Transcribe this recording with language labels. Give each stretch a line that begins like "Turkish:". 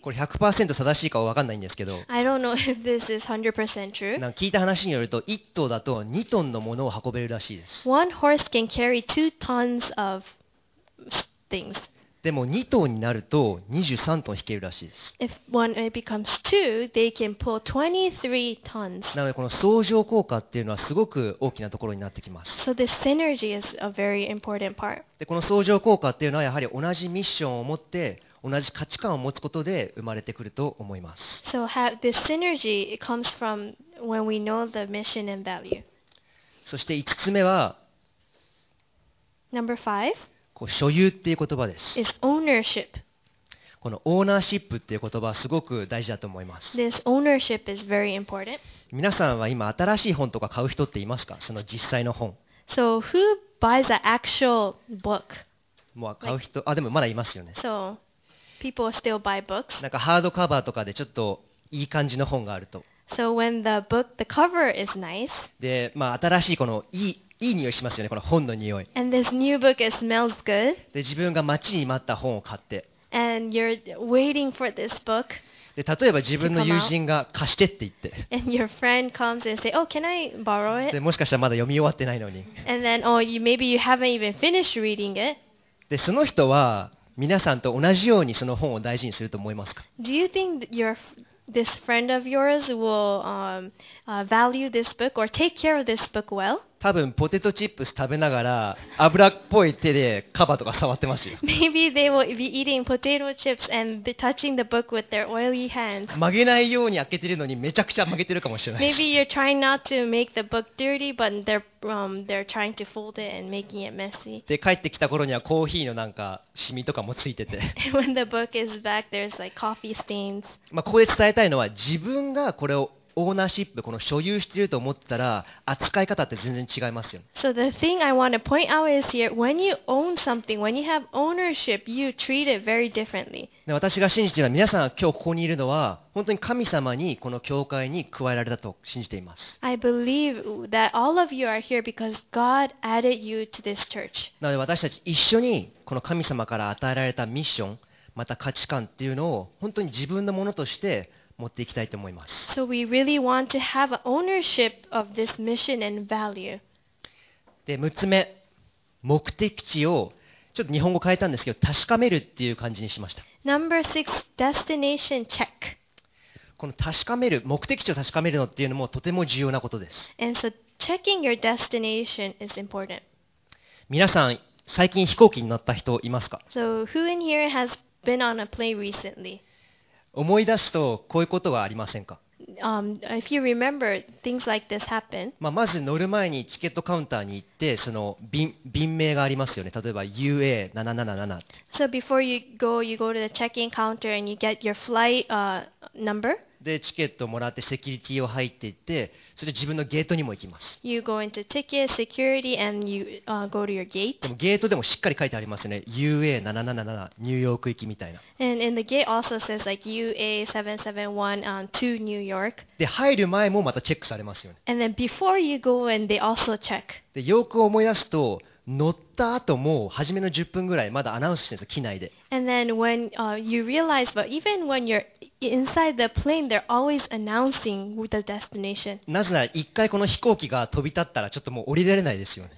Japanese: これ 100% 正しいかは分かんないんですけど。
English: I don't know if this is 100% true.
Japanese: なんか聞いた話によると一頭だと2トンのものを運べるらしいです。
English: One horse can carry 2 tons of things.
Japanese: でも2頭になると23トン引けるらしいです。
English: If one becomes two, they can pull 23 tons.
Japanese: なのでこの相乗効果っていうのはすごく大きなところになってきます。
English: So this synergy is a very important part.
Japanese: でこの相乗効果っていうのはやはり同じミッションを持って同じ価値観を持つことで生まれてくると思います。
English: So have this synergy, it comes from when we know the mission and value.
Japanese: そして5つ目は
English: Number five.
Japanese: 所有っていう言葉です。
English: Is ownership.
Japanese: このオーナーシップっていう言葉はすごく大事だと思います。
English: This ownership is very important.
Japanese: 皆さんは今新しい本とか買う人っていますか？その実際の本。
English: So who buys the actual book?
Japanese: もう買う人、like、あ、でもまだいますよね。
English: So people still buy books.
Japanese: なんかハードカバーとかでちょっといい感じの本があると。
English: So when the book, the cover is nice.
Japanese: で、まあ新しいこのいい匂いしますよね、この本の匂い。
English: And this new book, it smells good.
Japanese: で、自分が待ちに待った本を買って。
English: And you're waiting for this book.
Japanese: で、例えば自分の友人が貸してって言って。
English: And your friend comes and say, oh, can I borrow it?
Japanese: で、もしかしたらまだ読み終わってないのに。
English: And then, oh, you, maybe you haven't even finished reading it.
Japanese: で、その人は皆さんと同じようにその本を大事にすると思いますか？
English: Do you think your this friend of yours will value this book or take care of this book well?
Japanese: 多分ポテトチップス食べながら油っぽい手でカバーとか触ってますよ。
English: Maybe they will be eating potato chips and be touching the book with their oily hands.
Japanese: 曲げないように開けてるのにめちゃくちゃ曲げてるかもしれない。
English: Maybe you're trying not to make the book dirty, but they're trying to fold it and making it messy.
Japanese: で帰ってきた頃にはコーヒーのなんかシミとかもついてて。
English: When the book is back, there's like coffee stains.
Japanese: まあここで伝えたいのは自分がこれをオーナーシップ、この所有していると思ったら扱い方って全然違いますよ。
English: So the thing I want to point out is here, when you own something, when you have ownership, you treat it very differently.
Japanese: 私が信じているのは、皆さんが今日ここにいるのは本当に神様にこの教会に加えられたと信じています。
English: I believe that all of you are here because God added you to this church.
Japanese: なので私たち一緒にこの神様から与えられたミッション、また価値観っていうのを本当に自分のものとして持っていきたいと思います。
English: So we really want to have ownership of this mission and value.
Japanese: で、6つ目、目的地をちょっと日本語変えたんですけど、確かめるっていう感じにしました。
English: Number 6, destination check.
Japanese: この確かめる、目的地を確かめるのっていうのもとても重要なことです。
English: And so checking your destination is important.
Japanese: 皆さん、最近飛行機に乗った人いますか？
English: So who in here has been on a plane recently?
Japanese: 思い出すとこういうことはありませんか？
English: If you remember, things like this happen.
Japanese: まあ、まず乗る前にチケットカウンターに行って、その 便名がありますよね。例えば UA777。
English: So before you go to the check-in counter and you get your flight number.
Japanese: でチケットをもらってセキュリティを入っていって、それで自分のゲートにも行きます。
English: You go into ticket, security and you go to your gate.
Japanese: でもゲートでもしっかり書いてありますよね。 UA777 ニューヨーク行きみたいな。
English: And in the gate also says like UA771 to New York.
Japanese: で入る前もまたチェックされますよね。
English: And then before you go in, they also check.
Japanese: でよく思い出すと乗った後も初めの10分ぐらいまだアナウンスしてるんですよ、機内で。
English: And then when you realize, but even when you're inside the plane, they're always announcing the destination.
Japanese: なぜなら一回この飛行機が飛び立ったらちょっともう降りられないですよね。